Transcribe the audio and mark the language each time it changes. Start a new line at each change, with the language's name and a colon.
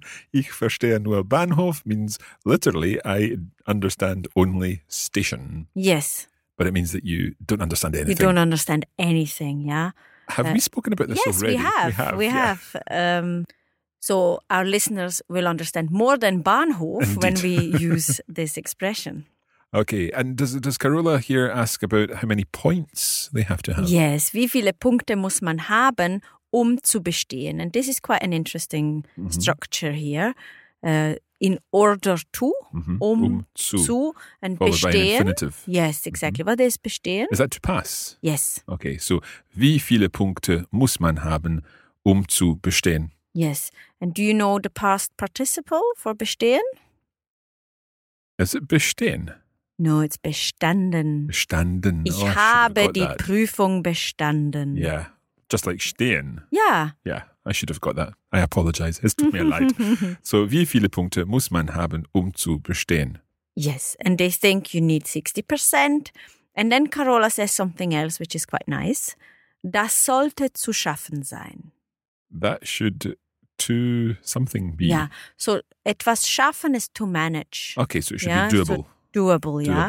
German: Ich verstehe nur Bahnhof
English: means literally, I understand only station. Yes. But it means that you don't understand anything. You don't understand anything, yeah. Have we spoken about this yes, already? Yes, we have. So our listeners will understand more than Bahnhof Indeed. When we use this expression. Okay, and does Carola here ask about how many points they have to have? Yes,
German: wie viele Punkte muss man haben, zu bestehen?
English: And this is quite an interesting mm-hmm. structure here. In order to, mm-hmm. zu, and followed bestehen. By an infinitive. Yes, exactly. Mm-hmm. What is bestehen? Is that to pass? Yes. Okay, so
German: wie viele Punkte muss man haben, zu bestehen?
English: Yes. And do you know the past participle for bestehen? Is it bestehen? No, it's bestanden. Bestanden.
German: Ich
English: oh,
German: habe die
English: that.
German: Prüfung bestanden.
English: Yeah, just like stehen. Yeah. Yeah. I should have got that. I apologize. It took me a light.
German: So, wie viele Punkte muss man haben, zu bestehen?
English: Yes. And they think you need 60%. And then Carola says something else, which is quite nice.
German: Das sollte zu schaffen sein.
English: That should to something be. Yeah. So,
German: etwas schaffen
English: is to manage. Okay. So, it should be doable. So doable, yeah.